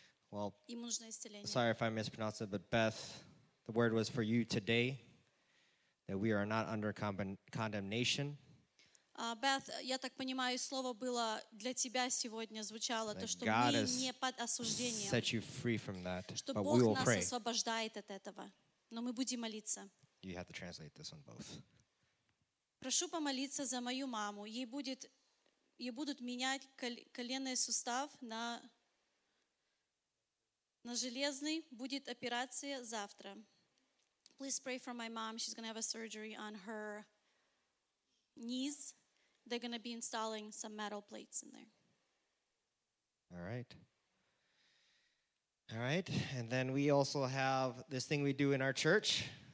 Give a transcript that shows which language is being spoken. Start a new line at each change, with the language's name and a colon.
English: Well,
Russian: ему нужно исцеление.
English: Sorry if I mispronounced it, but Beth, the word was for you today, that we are not under condemnation.
Russian: Beth, я так понимаю, слово было для тебя сегодня звучало, то, что God мы не под осуждением.
English: Set you free from that,
Russian: что
English: but
Russian: Бог
English: we will
Russian: нас
English: pray.
Russian: Освобождает от этого, но мы будем молиться.
English: You have to translate this one both.
Russian: Прошу помолиться за мою маму. Ей будут менять коленный сустав на железный. Будет операция завтра.
English: Please pray for my mom. She's going to have a surgery on her knees. They're going to be installing some metal plates in there. All right. All right. And then we also have this thing we do in our church.